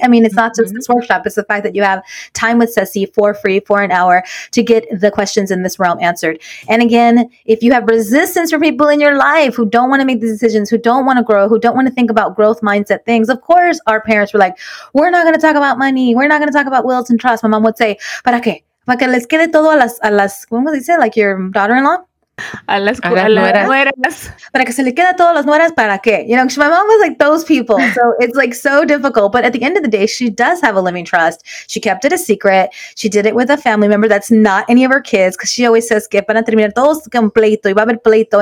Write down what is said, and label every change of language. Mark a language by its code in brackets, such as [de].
[en] I mean, it's not just this workshop. It's the fact that you have time with Ceci for free for an hour to get the questions in this realm answered. And again, if you have resistance from people in your life who don't want to make the decisions, who don't want to grow, who don't want to think about growth mindset things, of course, our parents were like, we're not going to talk about money. We're not going to talk about wills and trust. My mom would say, [es] ¿para qué? ¿Para que les quede todo a las, ¿cómo se dice? [en] Like your daughter-in-law? You know, my mom was like those people. So it's like so difficult. But at the end of the day, she does have a living trust. She kept it a secret. She did it with a family member that's not any of her kids, because she always says, [es] que van a terminar todos con pleito y va a haber pleito.